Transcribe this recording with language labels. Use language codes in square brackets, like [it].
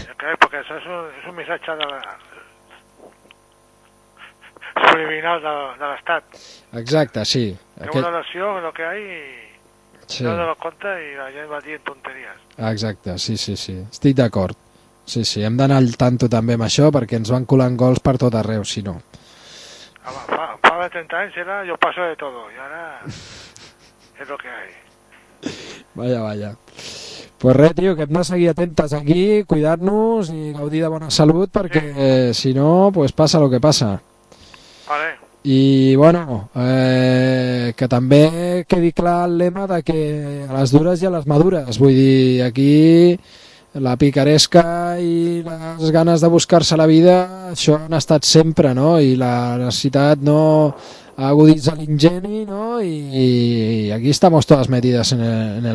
[ca] Okay, perquè això és un missatge de la subliminal de l'Estat. Exacte, sí. Aquest... una nació, lo que hay, sí. No dono compte i la gent va dient tonteries. Exacte, sí, sí, sí. Estic d'acord. Sí, sí, hem d'anar al tanto també amb això perquè ens van colant gols per tot arreu, si no. [es] Fa 30 anys era yo paso de todo y ahora es lo que hay. [ca] Vaya, vaya. Pues re, tio, que hem de seguir atentes aquí, cuidar-nos i gaudir de bona salut, perquè sí. Si no, pues passa el que passa. Vale. I, bueno, que també quedi clar el lema de que a les dures i a les madures. Vull dir, aquí la picaresca i les ganes de buscar-se la vida, això han estat sempre, no? I la necessitat no aguditza l'ingeni, no? [es] I aquí estamos todas metidas en el